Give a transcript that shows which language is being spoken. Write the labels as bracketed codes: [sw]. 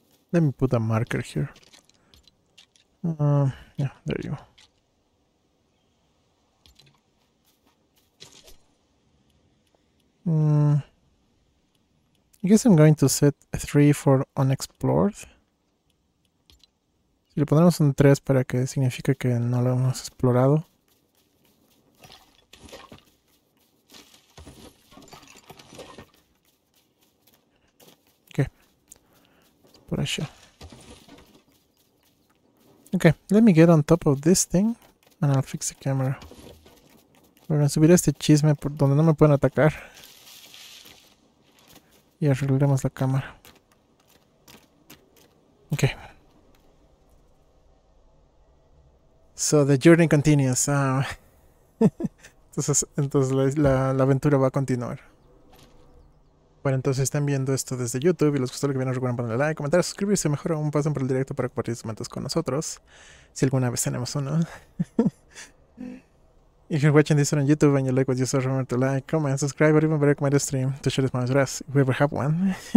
[en] Let me put a marker here. Yeah, there you go. I guess I'm going to set 3 for unexplored. [es] Si le ponemos un 3 para que signifique que no lo hemos explorado. [en] Okay. Let's put a shell. Okay, let me get on top of this thing and I'll fix the camera. [es] Voy a subir este chisme por donde no me pueden atacar. Y arreglaremos la cámara. [en] Okay. So the journey continues. [es] entonces la aventura va a continuar. Bueno, entonces están viendo esto desde YouTube y les gustó lo que vieron, recuerden ponerle like, comentar, suscribirse, mejor aún pasen por el directo para compartir sus momentos con nosotros, si alguna vez tenemos uno. [en] If you're watching this on YouTube and you like what you saw, remember to like, comment, subscribe, or even better, comment the stream to share this moment with us, if we ever have one.